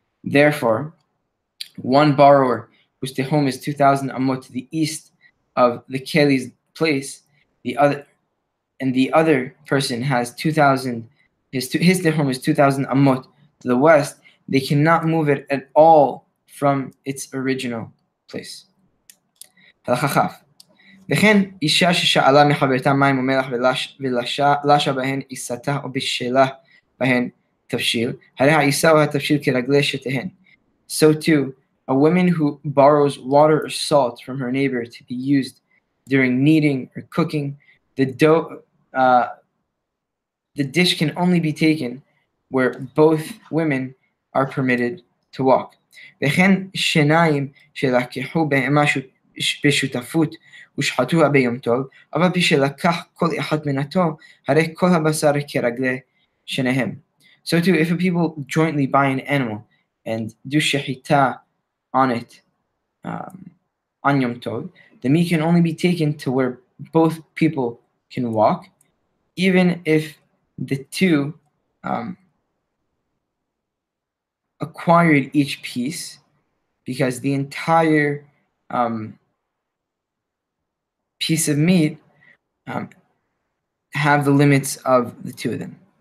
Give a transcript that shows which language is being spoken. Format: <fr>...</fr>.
<en>Therefore, one borrower whose tehum is 2,000 amot to the east of the keli's place, the other person has 2,000, his tehum is 2,000 amot to the west, they cannot move it at all from its original place. Halachachaf.</en> <he>וכן אישה ששאלה מחברתה מים ומלח ולשה בהן עיסתה או בשלה בהן תבשיל, הרי העיסה או התבשיל כרגלי שתיהן.</he> <en>So too, a woman who borrows water or salt from her neighbor to be used during kneading or cooking, the dish can only be taken where both women are permitted to walk. וכן שיניים שלקחו בהמה בשותפות ושחטוה ביום טוב, אבל פי שלקח כל אחד מנתו, הרי כל הבשר כרגלי שניהם. So too, if a people jointly buy an animal and do shechita on it, on Yom Tov, the meat can only be taken to where both people can walk, even if the two acquired each piece, because the entire piece of meat have the limits of the two of them.</en>